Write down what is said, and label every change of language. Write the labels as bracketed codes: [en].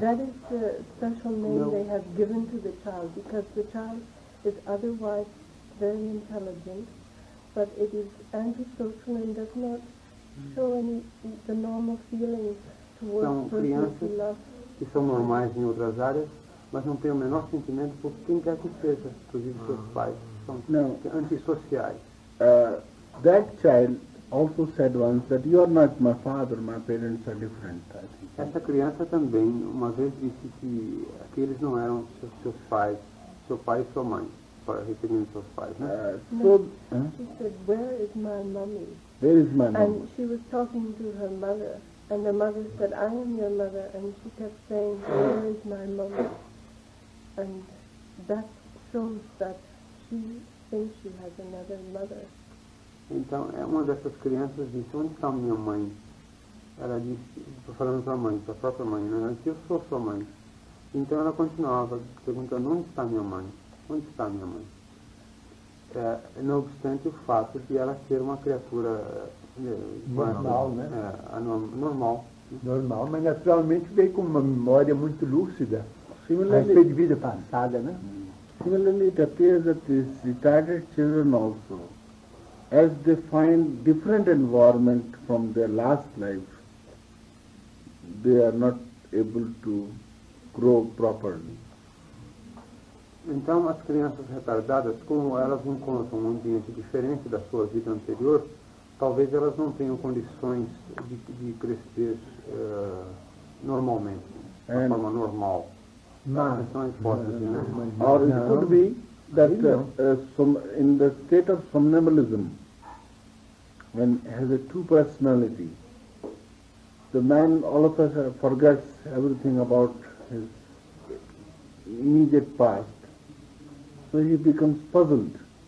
[en] That is the special name they have given to the child, because the child is otherwise very intelligent, but it is antisocial and does not show any the normal feelings towards [pt] são crianças [en] persons who love. [pt] Que são normais em outras áreas, mas não têm o menor sentimento por quem quer que seja, inclusive seus pais, são antissociais. [en] That child also said once that you are not my father, my parents are different, I think. [pt] Essa criança também uma vez disse que aqueles não eram seus pais, seu pai e sua mãe, para referir seus pais, né? [en] She said, where is my mommy? Where is my mommy? And she was talking to her mother, and the mother said, I am your mother, and she kept saying, where is my mommy? And that shows that she thinks she has another mother. [pt] Então, uma dessas crianças disse, onde está a minha mãe? Ela disse, estou falando para a mãe, para a própria mãe, né? Ela disse, eu sou sua mãe. Então, ela continuava perguntando, onde está a minha mãe? Onde está a minha mãe? Não obstante o fato de ela ser uma criatura normal. Normal, mas naturalmente veio com uma memória muito lúcida. Similarly, de vida passada, né? [en] Similarly, it appears that the retarded children also, as they find different environment from their last life, they are not able to grow properly. [pt] Então, as crianças retardadas, como elas encontram um ambiente diferente da sua vida anterior, talvez elas não tenham condições de crescer normalmente, de forma normal. [en] It could be that in the state of somnambulism, when has a two personality, the man all of us forgets everything about his immediate past, so he becomes puzzled.